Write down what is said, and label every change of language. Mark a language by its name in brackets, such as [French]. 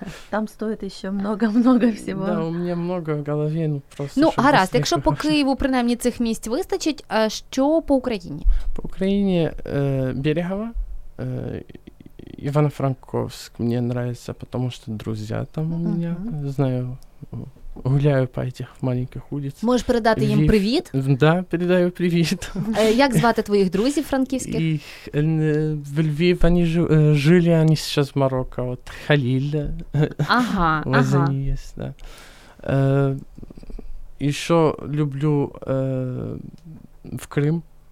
[Russian] Там стоит еще много-много всего. Да, у меня много в голове, ну просто. [Ukrainian] Ну, гаразд, якщо по Києву принаймні цих місць вистачить, а що по Україні? [Russian] По Україні Берегово, Івано-Франковськ мені нравится, потому что друзья там у меня, знаю. Гуляю по этих маленьких улицах. [Ukrainian] Можеш передати їм привіт? Да, передаю привіт. Як звати твоїх друзів франківських? В Львів вони жили, вони зараз в Марокко. От Халіль. Ага, ага. Є, да. І що люблю в Крим.